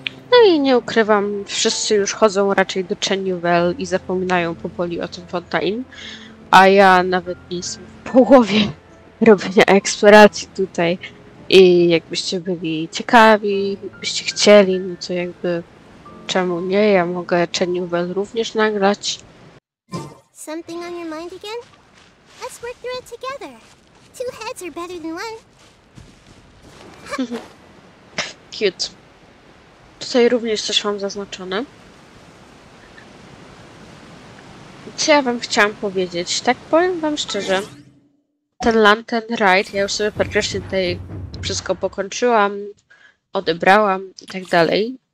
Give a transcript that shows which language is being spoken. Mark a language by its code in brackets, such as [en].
[pl] No i nie ukrywam, wszyscy już chodzą raczej do Chenuvel i zapominają powoli o tym Fontaine, a ja nawet nie jestem w połowie robienia eksploracji tutaj. I jakbyście byli ciekawi, byście chcieli, no to jakby czemu nie, ja mogę Chenuvel również nagrać. [en] Something on your mind again? Let's work through it together. Two heads are better than one. Cute. [pl] Tutaj również coś mam zaznaczone. Co ja wam chciałam powiedzieć? Tak powiem wam szczerze. Ten Lantern Ride, ja już sobie praktycznie tutaj wszystko pokończyłam, odebrałam i tak dalej.